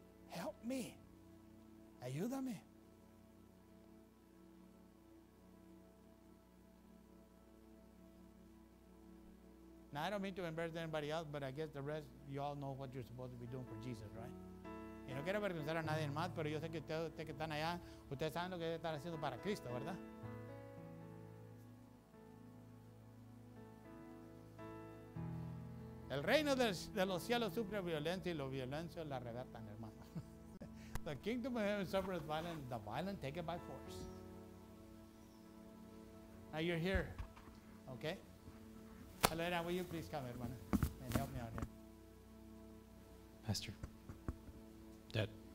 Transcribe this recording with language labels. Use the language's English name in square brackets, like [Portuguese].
[English] Help me. [Spanish] Ayúdame. [English] Now, I don't mean to embarrass anybody else, but I guess the rest, you all know what you're supposed to be doing for Jesus, right? [Spanish] Y no quiero avergonzar a nadie más, pero yo sé que ustedes que están allá, ustedes saben lo que están haciendo para Cristo, ¿verdad? El reino de los cielos sufre violencia y los violencios la arrebatan, hermano. [English] The kingdom of heaven suffers violence, the violent take it by force. Now you're here, okay? Helena, will you please come, hermana, and help me out here? Pastor. Dad.